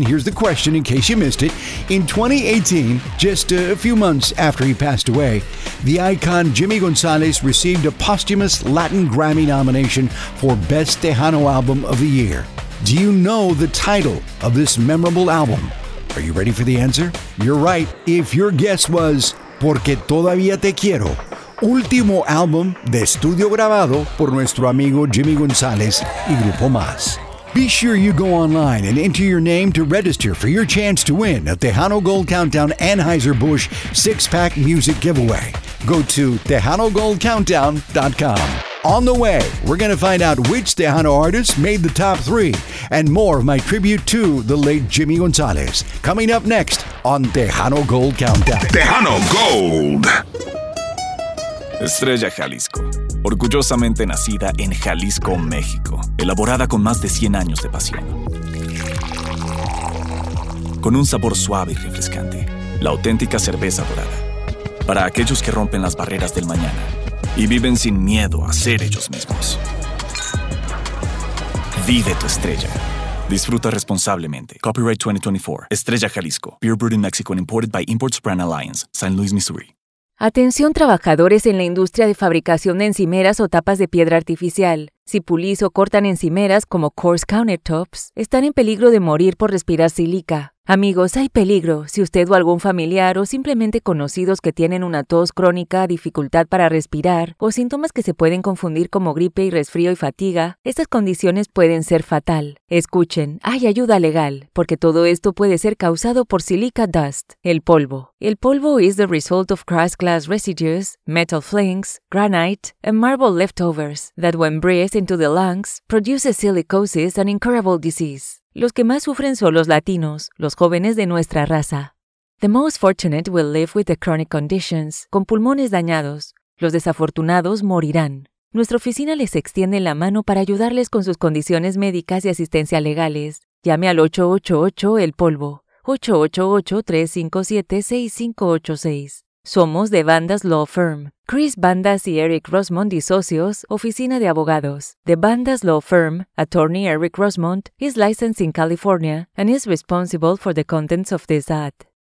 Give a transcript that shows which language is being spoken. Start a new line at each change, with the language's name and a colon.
English: Here's the question in case you missed it. In 2018, just a few months after he passed away, the icon Jimmy Gonzalez received a posthumous Latin Grammy nomination for Best Tejano Album of the Year. Do you know the title of this memorable album? Are you ready for the answer? You're right. If your guess was
Spanish: Porque Todavía Te Quiero, último álbum de estudio grabado por nuestro amigo Jimmy González y Grupo Más.
English: Be sure you go online and enter your name to register for your chance to win a Tejano Gold Countdown Anheuser-Busch six-pack music giveaway. Go to TejanoGoldCountdown.com. On the way, we're going to find out which Tejano artists made the top three and more of my tribute to the late Jimmy González. Coming up next on Tejano Gold Countdown. Tejano Gold.
Spanish: Estrella Jalisco, orgullosamente nacida en Jalisco, México, elaborada con más de 100 años de pasión. Con un sabor suave y refrescante, la auténtica cerveza dorada. Para aquellos que rompen las barreras del mañana y viven sin miedo a ser ellos mismos. Vive tu estrella. Disfruta responsablemente. Copyright 2024. Estrella Jalisco.
English: Beer brewed in Mexico and imported by Imports Brand Alliance, San Luis, Missouri.
Spanish: Atención trabajadores en la industria de fabricación de encimeras o tapas de piedra artificial. Si pulís o cortan encimeras como coarse countertops, están en peligro de morir por respirar sílica. Amigos, hay peligro. Si usted o algún familiar o simplemente conocidos que tienen una tos crónica, dificultad para respirar o síntomas que se pueden confundir como gripe y resfrío y fatiga, estas condiciones pueden ser fatal. Escuchen, hay ayuda legal, porque todo esto puede ser causado por silica dust, el polvo.
English: El polvo is the result of crushed glass residues, metal flakes, granite, and marble leftovers that when breathed into the lungs, produces silicosis and incurable disease.
Spanish: Los que más sufren son los latinos, los jóvenes de nuestra raza.
English: The most fortunate will live with the chronic conditions,
Spanish: con pulmones dañados. Los desafortunados morirán. Nuestra oficina les extiende la mano para ayudarles con sus condiciones médicas y asistencia legales. Llame al 888-EL-POLVO, 888-357-6586. Somos de Bandas Law Firm. Chris Bandas y Eric Rosmond y socios, oficina de abogados.
English: The Bandas Law Firm, attorney Eric Rosmond, is licensed in California and is responsible for the contents of this ad.